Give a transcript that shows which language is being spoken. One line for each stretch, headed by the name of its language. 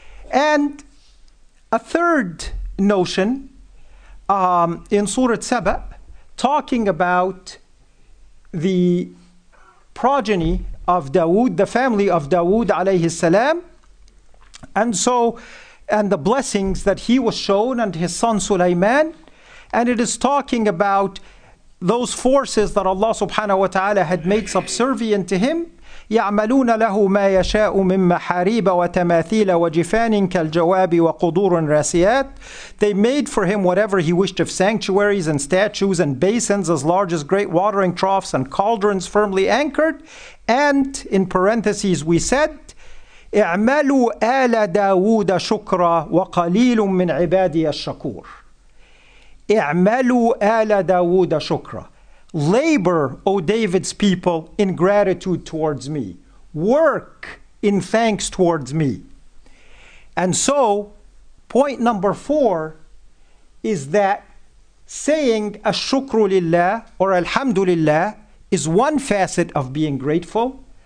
English: And a third notion in Surah Saba, talking about the progeny of Dawood, the family of Dawood alayhi salam. And so, and the blessings that he was shown and his son Sulaiman. And it is talking about those forces that Allah subhanahu wa ta'ala had made subservient to him.
Arabic: يعملون له ما يشاء من محاريب وتماثيل وجفان كالجواب وقدور راسيات.
English: They made for him whatever he wished of sanctuaries and statues and basins as large as great watering troughs and cauldrons firmly anchored. And in parentheses we said,
Arabic: اعملوا آل داود شكرا وقليل من عبادي الشكور. اعملوا آل داود شكرا.
English: Labor, O David's people, in gratitude towards me. Work in thanks towards me. And so, point number four is that saying ash-shukru lillah or alhamdulillah is one facet of being grateful.